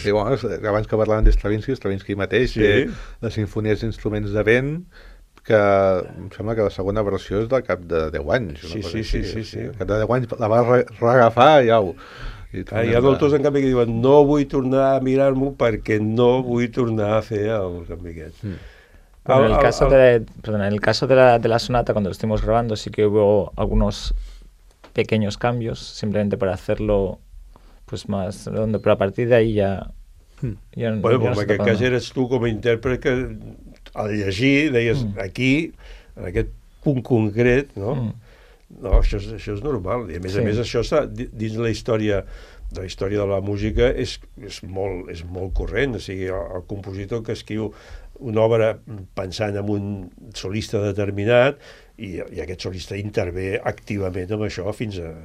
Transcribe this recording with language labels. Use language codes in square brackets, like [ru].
[ca] Sí, bueno, abans que parlàvem d'Stravinsky mateix, sí. Les sinfonies d'instruments de vent, que em sembla que la segona versió és del cap de 10 anys. Sí, sí, sí, sí, sí. Al cap de 10 anys la vas reagafar, iau. Hi ha autors, en canvi, que diuen no vull tornar a mirar-m'ho perquè no vull tornar a fer el canvi aquest. [es] En el caso de la sonata, cuando lo estuvimos grabando, sí que hubo algunos pequeños cambios, simplemente para hacerlo pues más redondo, pero a partir de ahí ya... Bueno, pues en aquel caso eres tú como intérprete que al [ca] llegir deies aquí, en aquest punt concret, no? No, això és normal, i a més això està dins la història de la música, és molt corrent, o sigui, el compositor que escriu una obra pensant en un solista determinat i aquest solista intervé activament amb això fins a...